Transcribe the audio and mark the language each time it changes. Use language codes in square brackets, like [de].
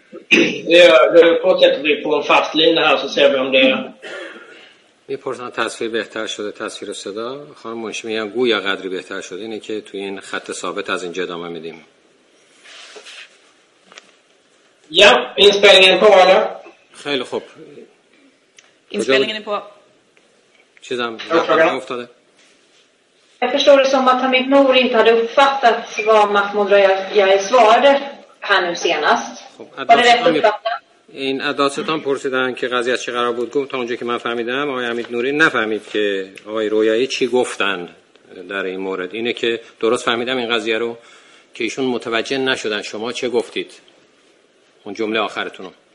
[sv] Vi fortsätter på en fast lina här så ser vi om det [fa] می پرسن تصویر بهتر شده، تصویر و صدا. خانم منشی میگن گویا قدری بهتر شده، اینه که توی این خط ثابت از اینجا ادامه میدیم. یا این اسپلینگ اینو حالا خیلی خوب این اسپلینگ اینو چیزام افتاده. [sv] Jag förstår det som att Hamid Nouri inte hade uppfattat vad Mahmoud Rojai svarade här nu senast. Var det rätt uppfattat? [fa] این عدالتان پرسیدن که قضیه چه قرار بود. گفت تا اونجا که من فهمیدم آقای حمید نوری نفهمید که آقای رویایی چی گفتن در این مورد. اینه که درست فهمیدم این قضیه رو که ایشون متوجه نشدن شما چه گفتید اون جمله آخرتون.